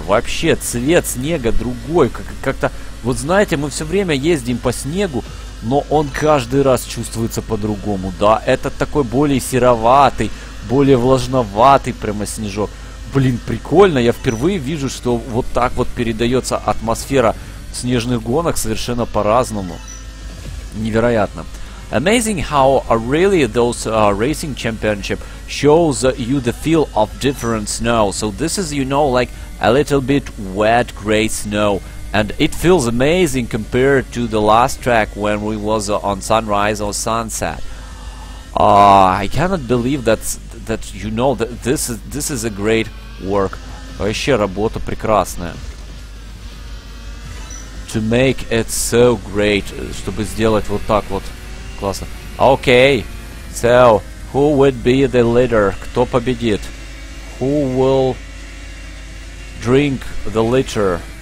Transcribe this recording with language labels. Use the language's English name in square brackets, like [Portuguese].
[Russian] Вообще, цвет снега другой. Как-то... Вот знаете, мы все время ездим по снегу, но он каждый раз чувствуется по-другому, да? Этот такой более сероватый, более влажноватый прямо снежок. Блин, прикольно, я впервые вижу, что вот так вот передается атмосфера снежных гонок совершенно по-разному. Невероятно. [English] Amazing how really those racing championship shows you the feel of different snow. So this is, you know, like a little bit wet gray snow. And it feels amazing compared to the last track when we was on sunrise or sunset. I cannot believe that you know that this is a great work. [Russian] Вообще работа прекрасная. [English] To make it so great, [Russian] чтобы сделать вот так вот классно. [English] Okay, so who would be the leader? [Russian] Кто победит? [English] Who will drink the litter?